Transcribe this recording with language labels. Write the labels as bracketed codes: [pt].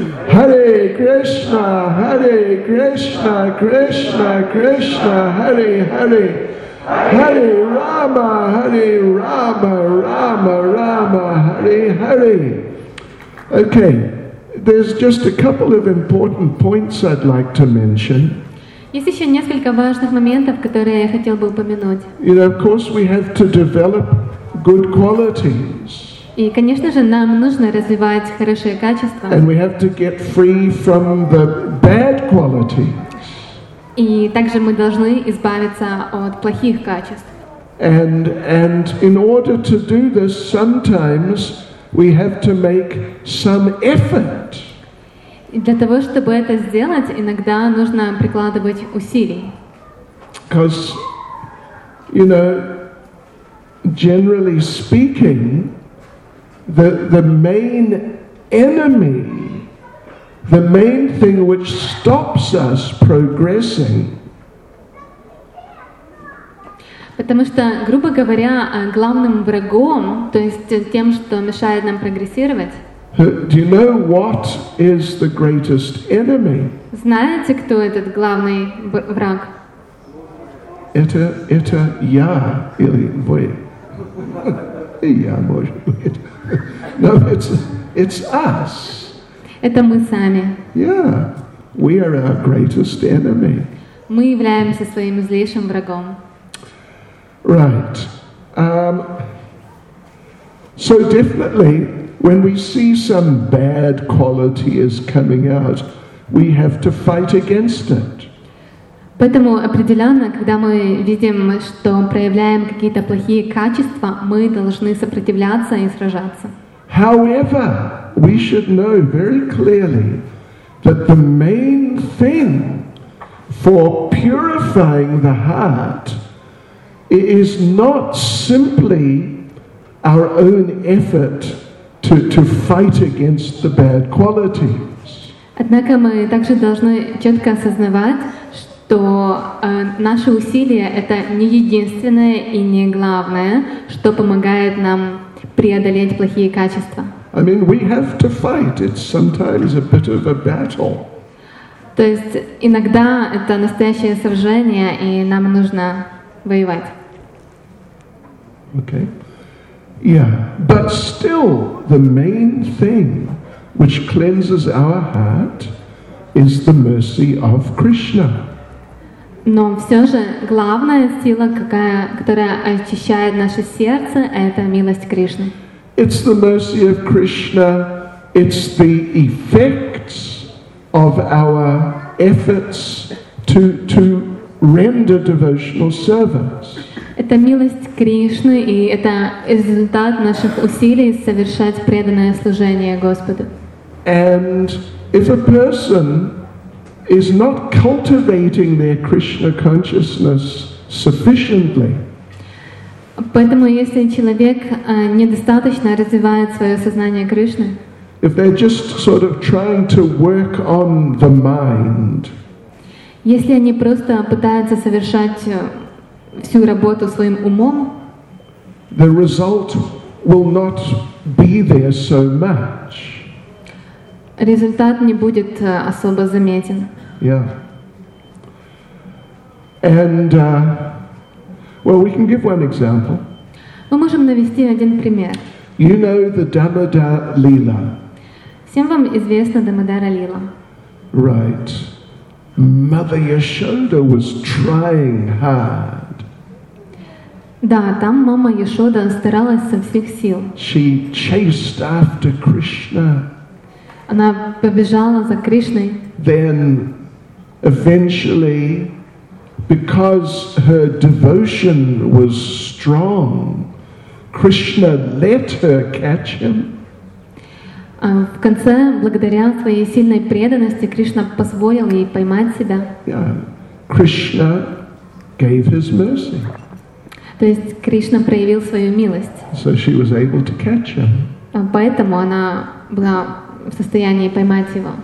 [sa] Харе Кришна, Харе Кришна, Кришна Кришна, Харе Харе, Харе Рама, Харе Рама, Рама Рама, Харе Харе. [en] Okay, there's just a couple of important points I'd like to mention. [ru] Есть еще несколько важных моментов, которые я хотел бы упомянуть. [en] You know, of course, we have to develop good qualities. [ru] И, конечно же, нам нужно развивать хорошие качества. [en] And we have to get free from the bad qualities. [ru] И также мы должны избавиться от плохих качеств. [en] And in order to do this, sometimes we have to make some effort. [ru] И для того, чтобы это сделать, иногда нужно прикладывать усилий. [en] Because, you know, generally speaking, the main enemy, the main thing which stops us progressing. [ru] Потому что, грубо говоря, главным врагом, то есть тем, что мешает нам прогрессировать. [en] Do you know what is the greatest enemy? [ru] Знаете, кто этот главный враг? Это я или вы? Я, может быть. [en] No, it's us. [ru] Это мы сами. [en] Yeah, we are our greatest enemy. [ru] Мы являемся своим злейшим врагом. [en] Right. So definitely, when we see some bad quality is coming out, we have to fight against it. [ru] Поэтому определенно, когда мы видим, что проявляем какие-то плохие качества, мы должны сопротивляться и сражаться. [en] However, we should know very clearly that the main thing for purifying the heart is not simply our own effort to fight against the bad qualities. [ru] Однако мы также должны четко осознавать, что наши усилия это не единственное и не главное, что помогает нам преодолеть плохие качества. [en] I mean, we have to fight. It's sometimes a bit of a battle. [ru] То есть иногда это настоящее сражение, и нам нужно воевать. [en] Okay. Yeah, but still, the main thing which cleanses our heart is the mercy of Krishna. [ru] Но все же главная сила, которая очищает наше сердце, это милость Кришны. [en] It's the mercy of Krishna. It's the effects of our efforts to render devotional service. [ru] Это милость Кришны, и это результат наших усилий совершать преданное служение Господу. [en] And if a person is not cultivating their Krishna consciousness sufficiently, [ru] поэтому если человек недостаточно развивает свое сознание Кришны, [en] if they're just sort of trying to work on the mind, [ru] если они просто пытаются совершать всю работу своим умом, [en] the result will not be there so much. [ru] Результат не будет особо заметен. [en] Yeah. And well, we can give one example. [ru] Мы можем навести один пример. [en] You know the Damodara Leela. [ru] Всем вам известна Дамодара Лила. [en] Right. Mother Yashoda was trying hard. [ru] Да, там мама Яшода старалась со всех сил. [en] She chased after Krishna. [ru] Она побежала за Кришной. [en] Then eventually, because her devotion was strong, Krishna let her catch him. [ru] В конце, благодаря своей сильной преданности, Кришна позволил ей поймать себя. [en] Yeah. Krishna gave his mercy. [ru] То есть Кришна проявил свою милость. [en] So she was able to catch him. [ru] Поэтому она была в состоянии поймать его.